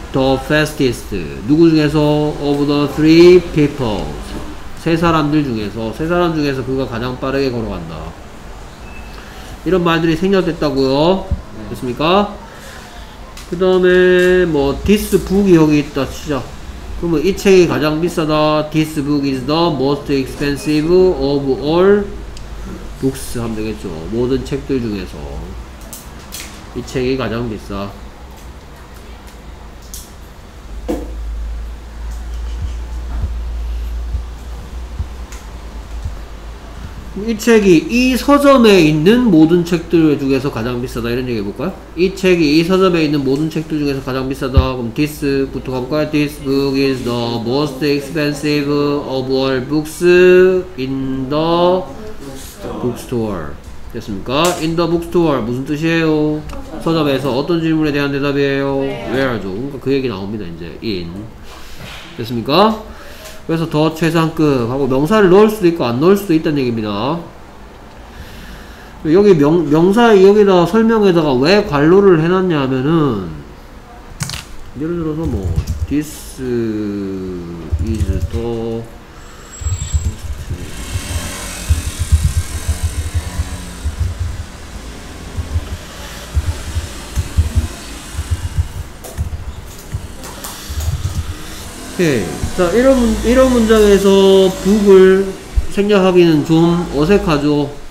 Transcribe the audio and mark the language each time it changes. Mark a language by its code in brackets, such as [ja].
[en] The fastest. [ko] 누구 중에서? [en] Of the three people. [ko] 세 사람들 중에서 세 사람 중에서 그가 가장 빠르게 걸어간다. 이런 말들이 생략됐다고요. 됐습니까? 그 다음에 뭐 [en] this book [ko] 이 여기 있다 치자. 그러면 이 책이 가장 비싸다. [en] This book is the most expensive of all books [ko] 하면 되겠죠. 모든 책들 중에서 이 책이 가장 비싸. 이 책이 이 서점에 있는 모든 책들 중에서 가장 비싸다 이런 얘기 해볼까요? 이 책이 이 서점에 있는 모든 책들 중에서 가장 비싸다. 그럼 this부터 가볼까요? [en] This book is the most expensive of all books in the bookstore. [ko] 됐습니까? [en] In the bookstore [ko] 무슨 뜻이에요? 서점에서 어떤 질문에 대한 대답이에요? [en] Where죠? [ko] 그러니까 그 얘기 나옵니다 이제 in. 됐습니까? 그래서 더 최상급 하고 명사를 넣을 수도 있고 안 넣을 수도 있다는 얘기입니다. 여기 명사 여기다 설명에다가 왜 관로를 해놨냐 하면은 예를 들어서 뭐 [en] this is the Okay. [ko] 자, 이런 문장에서 북을 생략하기는 좀 어색하죠.